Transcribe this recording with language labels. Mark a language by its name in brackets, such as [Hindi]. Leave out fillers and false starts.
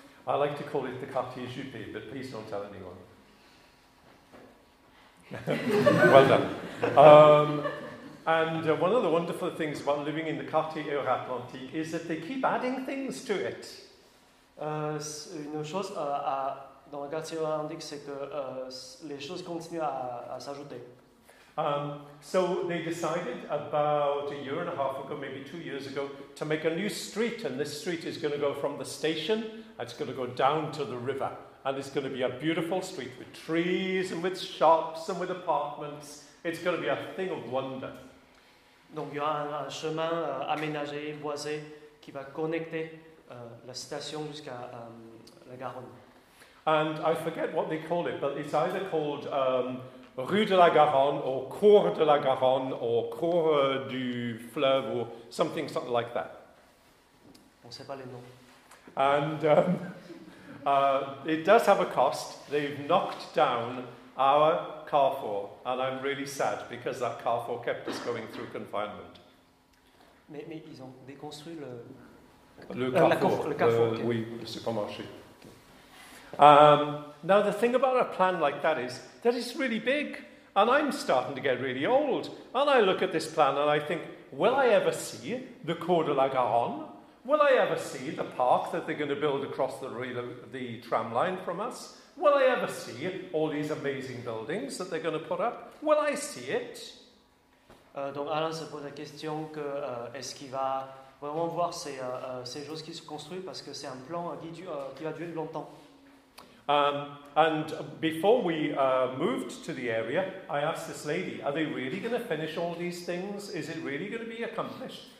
[English] I like to call it the quartier Juppé, but please don't tell anyone. Well done. And one of the wonderful things about living in the quartier Euratlantique is that they keep adding things to it. [French] Une chose dans le quartier Euratlantique, c'est que les choses continuent à s'ajouter. [English] So they decided about a year and a half ago, maybe 2 years ago, to make a new street, and this street is going to go from the station, and it's going to go down to the river. And it's going to be a beautiful street with trees and with shops and with apartments. It's going to be a thing of wonder. [French] Donc il y aura un chemin aménagé, boisé, qui va connecter la station jusqu'à la Garonne. [English] And I forget what they call it, but it's either called Rue de la Garonne or Cour de la Garonne or Cour du Fleuve or something like that. [French] On ne sait pas les noms. [English] And it does have a cost. They've knocked down our carrefour, and I'm really sad because that carrefour kept us going through confinement. [French] Mais ils ont déconstruit le carrefour. [English] Okay. [French] Oui, le supermarché. [English] Now, the thing about a plan like that is that it's really big, and I'm starting to get really old, and I look at this plan and I think, will I ever see the Cour de la Garonne? Will I ever see the park that they're going to build across the tram line from us? Will I ever see all these amazing buildings that they're going to put up? Will I see it? [French] Donc Alan se pose la question que est-ce qu'il va vraiment voir ces choses qui se construisent, parce que c'est un plan qui va durer longtemps. [English] And before we moved to the area, I asked this lady, are they really going to finish all these things? Is it really going to be accomplished?